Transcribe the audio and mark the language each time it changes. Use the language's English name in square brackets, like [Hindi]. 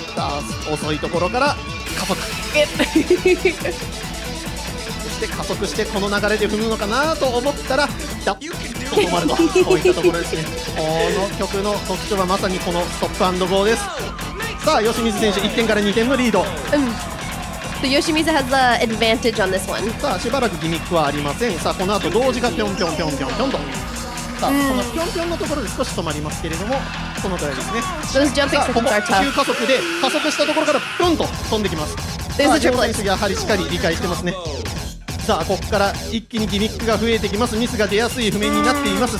[Japanese] さあ遅いところから加速。そして加速してこの流れで踏むのかなと思ったら、ダッと止まるとこういったところですね。この曲の特徴はまさにこのストップ&ゴーです。さあ吉水選手1点から2点のリード、 [English] So、Yoshimizu has the advantage on this one. [Japanese] さあしばらくギミックはありません。さあこの後同時がピョンピョンピョンピョンピョンと、さあこのピョンピョンのところで少し止まりますけれども、そのくらいですね。さあここ急加速で加速したところからピョンと飛んできます。さあ両選手やはりしっかり理解してますね。さあここから一気にギミックが増えてきます。ミスが出やすい譜面になっています。